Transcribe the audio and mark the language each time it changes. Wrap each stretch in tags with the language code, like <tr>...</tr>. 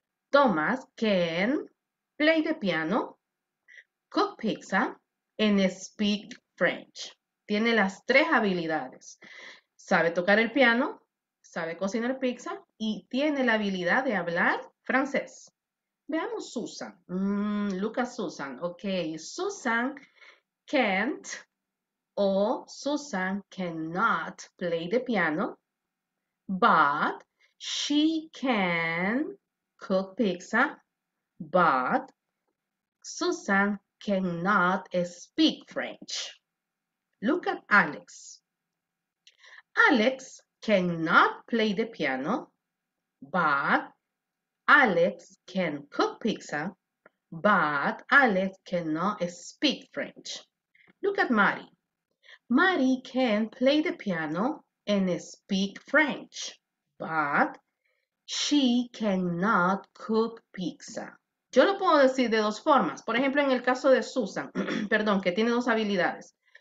<en>Tomás, can, play the piano, cook pizza, and speak French.</en> <es>Tiene las tres habilidades. Sabe tocar el piano, sabe cocinar pizza, y tiene la habilidad de hablar francés. Veamos Susan.</es> <en>Look at Susan. Okay, Susan can't o Susan cannot play the piano, but she can cook pizza, but Susan cannot speak French. Look at Alex. Alex cannot play the piano, but Alex can cook pizza, but Alex cannot speak French. Look at Mari. Mari can play the piano and speak French, but she cannot cook pizza.</en> <es>Yo lo puedo decir de dos formas. Por ejemplo, en el caso de Susan, perdón, que tiene dos habilidades.</es>